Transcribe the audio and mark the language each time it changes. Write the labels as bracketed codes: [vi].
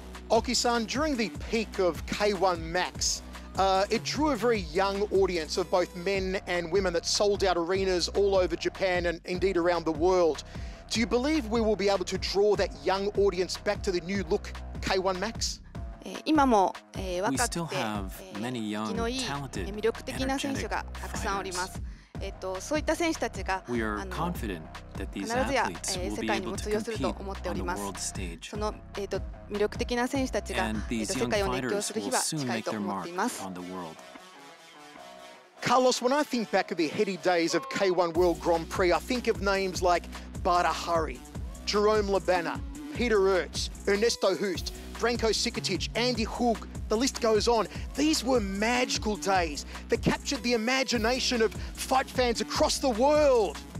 [en] Aki-san, during the peak of K-1 Max, it drew a very young audience of both men and women that sold out arenas all over Japan and indeed around the world. Do you believe we will be able to draw that young audience back to the new look K-1 Max? [ja] 今も若くて気のいい魅力的な選手がたくさんおります。そういった選手たちが必ずや世界にも通用すると思っております。その魅力的な選手たちが世界を熱狂する日は近いと思っています。 [en] Carlos, when I think back of the heady days of K-1 World Grand Prix, I think of names like Bada Hari, Jerome Labana, Peter Ertz, Ernesto Hoost, Branko Sikatic, Andy Hook, the list goes on. These were magical days that captured the imagination of fight fans across the world.